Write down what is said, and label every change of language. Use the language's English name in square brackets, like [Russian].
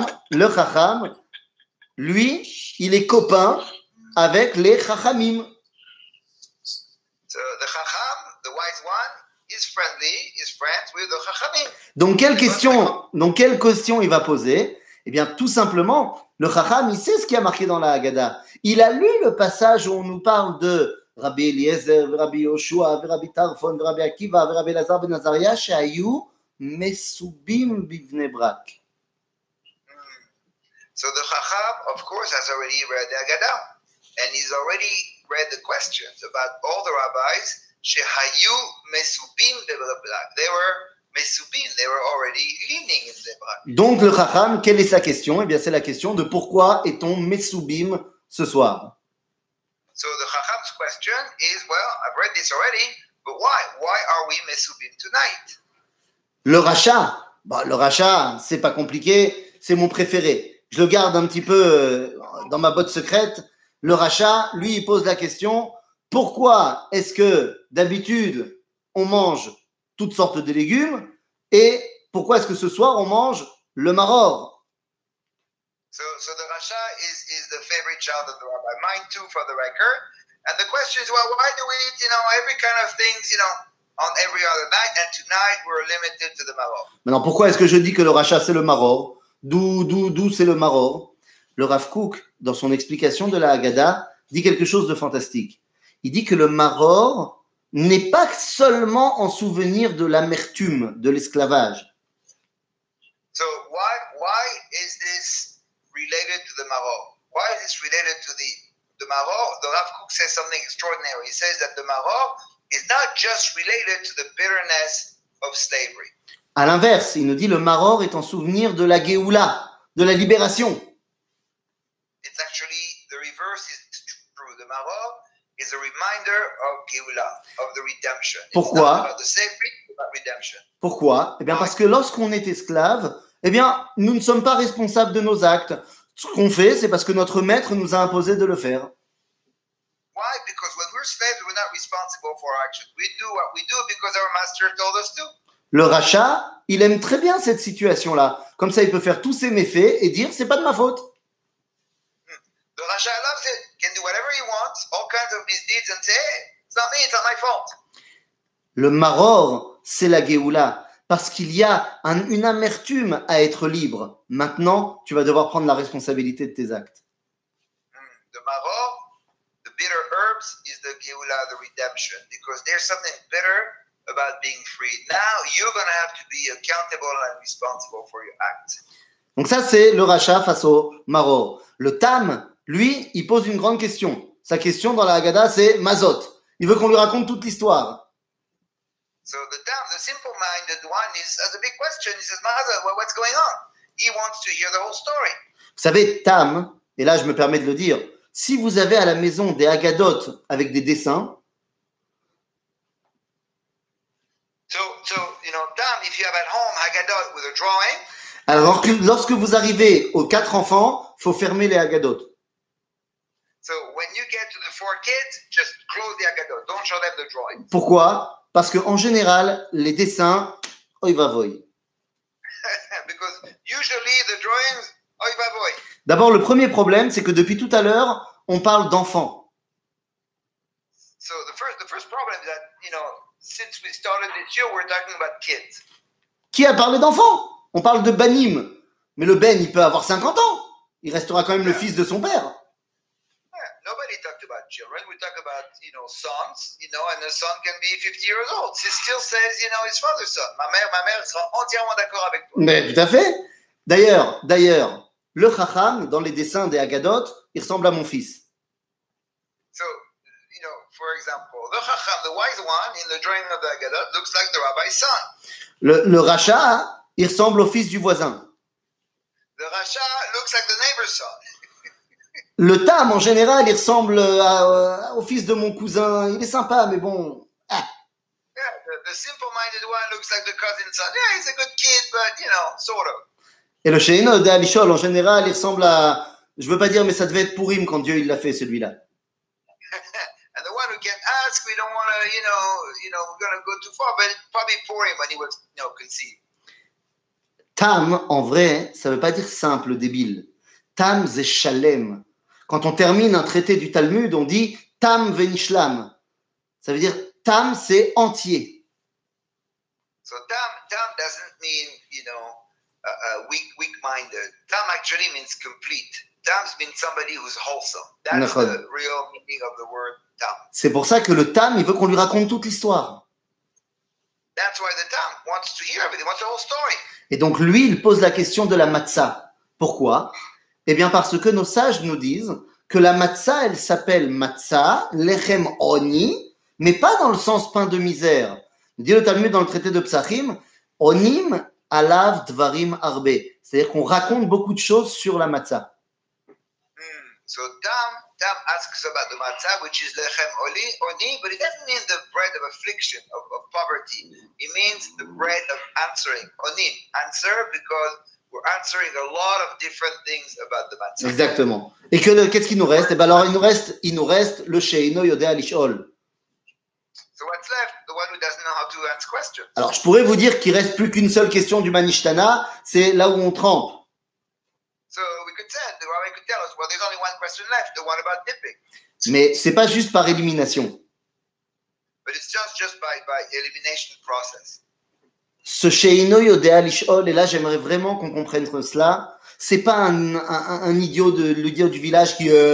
[French] Le chacham, lui, il est copain avec les chachamim. [English] So the chacham, the wise one, is friendly, is friends with the chachamim. [French] Donc quelle question il va poser? Eh bien, tout simplement, le chacham, il sait ce qui a marqué dans la Haggadah. Il a lu le passage où on nous parle de Rabbi Eliezer, Rabbi Yoshua, Rabbi Tarfon, Rabbi Akiva, Rabbi Lazar ben Azariah, Shayu. [Hebrew] Mesubim bivnebrak. [English] So the Chacham, of course, has already read the Haggadah, and he's already read the questions about all the rabbis. [Hebrew] Shehayu mesubim bivnebrak. [English] They were mesubim. They were already leaning in the brak. [French] Donc le Chacham, quelle est sa question? Eh bien, c'est la question de pourquoi est-on mesubim ce soir? [English] So the Chacham's question is, well, I've read this already, but why? Why are we mesubim tonight? [French] Le rachat, bah, le rachat, c'est pas compliqué, c'est mon préféré. Je le garde un petit peu dans ma botte secrète. Le rachat, lui, il pose la question, pourquoi est-ce que d'habitude, on mange toutes sortes de légumes et pourquoi est-ce que ce soir, on mange le maror? [English] So the rachat is the favorite child of the rabbi, mine too, for the record. And the question is, well, why do we eat, you know, every kind of things, you know, on every other night, and tonight we're limited to the maror. [French] Maintenant, pourquoi est-ce que je dis que le rachat c'est le maror? D'où c'est le maror? Le Rav Kook, dans son explication de la Haggadah, dit quelque chose de fantastique. Il dit que le maror n'est pas seulement en souvenir de l'amertume, de l'esclavage. [English] So why is this related to the maror? Why is this related to the maror? The Rav Kook says something extraordinary. He says that the maror is not just related to the bitterness of slavery. [French] À l'inverse, il nous dit le maror est en souvenir de la geoula, de la libération. [English] It's actually the reverse is true. The maror is a reminder of geoula, of the redemption. [French] Pourquoi? [English] It's not about the slavery, it's about redemption. [French] Pourquoi? Eh bien, parce que lorsqu'on est esclave, eh bien, nous ne sommes pas responsables de nos actes. Ce qu'on fait, c'est parce que notre maître nous a imposé de le faire. [English] Why? Because when we're slaves, we're not responsible for our actions. We do what we do because our master told us to. [French] Le rachat, il aime très bien cette situation-là. Comme ça, il peut faire tous ses méfaits et dire, c'est pas de ma faute. [English] Le rachat loves it. Can do whatever he wants, all kinds of misdeeds, and say, it's not me, it's not my fault. [French] Le maror, c'est la geoula, parce qu'il y a une amertume à être libre. Maintenant, tu vas devoir prendre la responsabilité de tes actes. [English] Le maror, bitter herbs is the geula, the redemption, because there's something bitter about being free. Now you're going to have to be accountable and responsible for your acts. [French] Donc ça, c'est le rachat face au maror. Le tam, lui, il pose une grande question. sa question dans la Haggadah, c'est Mazot. Il veut qu'on lui raconte toute l'histoire. [English] So the dumb, the simple-minded one is, has a big question. He says, Mazot, what's going on? He wants to hear the whole story. [French] Vous savez, Tam, et là je me permets de le dire, si vous avez à la maison des Haggadotes avec des dessins, [English] So you know, Tam, if you have at home Haggadot with a drawing. [French] Alors que lorsque vous arrivez aux quatre enfants, faut fermer les Haggadot. [English] So when you get to the four kids, just close the Haggadot. Don't show them the drawing. [French] Pourquoi? Parce que en général, les dessins, oy vavoy. [English] Because usually the drawings, oy vavoy. [French] D'abord, le premier problème, c'est que depuis tout à l'heure, on parle d'enfants. [English] So the first problem is that, you know, since we started this year, we're talking about kids. [French] Qui a parlé d'enfants? On parle de Banim. Mais le Ben, il peut avoir 50 ans. Il restera quand même le fils de son père. [English] Yeah, nobody talked about children. We talk about, you know, sons, you know, and a son can be 50 years old. He still says, you know, his father's son. [French] Ma mère sera entièrement d'accord avec toi. Mais tout à fait. D'ailleurs, le Chacham, dans les dessins des Haggadot, il ressemble à mon fils. [English] So, you know, for example, le Chacham, the wise one, in the drawing of the Haggadot, looks like the rabbi's son. [French] Le Racha, il ressemble au fils du voisin. [English] Le Racha looks like the neighbor's son. [French] Le Tam, en général, il ressemble au fils de mon cousin. Il est sympa, mais bon. Ah. [English] Yeah, the simple-minded one looks like the cousin's son. Yeah, he's a good kid, but, you know, sort of. [French] Et le Sheino de Alishol, en général, il ressemble à... Je ne veux pas dire, mais ça devait être Pourim quand Dieu il l'a fait, celui-là. [English] And the one who can ask, we don't want to, you know, we're going to go too far, but probably Pourim when he was, you know, conceived. [French] Tam, en vrai, ça ne veut pas dire simple, débile. Tam, c'est shalem. Quand on termine un traité du Talmud, on dit [Hebrew] Tam venishlam. [French] Ça veut dire Tam, c'est entier. [English] So Tam doesn't mean, you know, weak-minded. Tam actually means complete. Tam means somebody who's wholesome. That's [French] d'accord. [English] The real meaning of the word Tam. [French] C'est pour ça que le Tam, il veut qu'on lui raconte toute l'histoire. [English] That's why the Tam wants to hear everything, wants the whole story. [French] Et donc lui, il pose la question de la matza. Pourquoi? Eh bien parce que nos sages nous disent que la matza, elle s'appelle matza, lechem oni, mais pas dans le sens pain de misère. Dit le Talmud dans le traité de Psachim, [Hebrew] onim alav dvarim arbe. [French] C'est-à-dire qu'on raconte beaucoup de choses sur la matza. [English] So Tam asks about the matzah, which is lechem oni, but it doesn't mean the bread of affliction, of poverty. It means the bread of answering. Oni, answer, because we're answering a lot of different things about the matzah. [French] Exactement. Et qu'est-ce qu'il nous reste? Eh bien, alors, il nous reste le sheino yodea lishol. [English] So what's left? The one who doesn't know how to answer questions. [French] Alors, je pourrais vous dire qu'il ne reste plus qu'une seule question du Manishtana, c'est là où on trempe. [English] So we could say, the rabbi could tell us, well, there's only one question left, the one about dipping. [French] Mais c'est pas juste par élimination. [English] But it's just by elimination process. [French] Ce Sheino Yodea Lishol, et là j'aimerais vraiment qu'on comprenne cela, c'est pas un idiot de l'idiot du village qui...